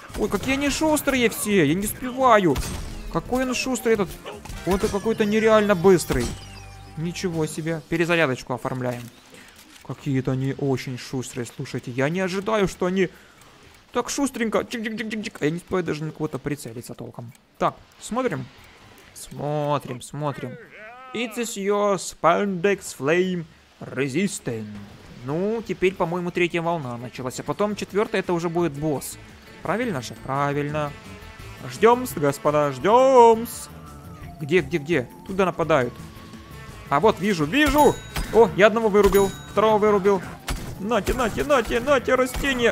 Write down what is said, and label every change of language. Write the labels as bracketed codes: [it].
[ru] Ой, какие они шустрые все, я не успеваю. Какой он шустрый этот. Он-то какой-то нереально быстрый. Ничего себе, перезарядочку оформляем. Какие-то они очень шустрые, слушайте. Я не ожидаю, что они так шустренько. Я не успеваю даже на кого-то прицелиться толком. Так, смотрим. Смотрим. [en] It is your spandex flame resistant. [ru] Ну, теперь, по-моему, третья волна началась. А потом четвертая, это уже будет босс. Правильно же? Правильно. Ждем-с, господа, ждем-с. Где? Туда нападают. А вот, вижу. О, я одного вырубил, второго вырубил. Нате, растение.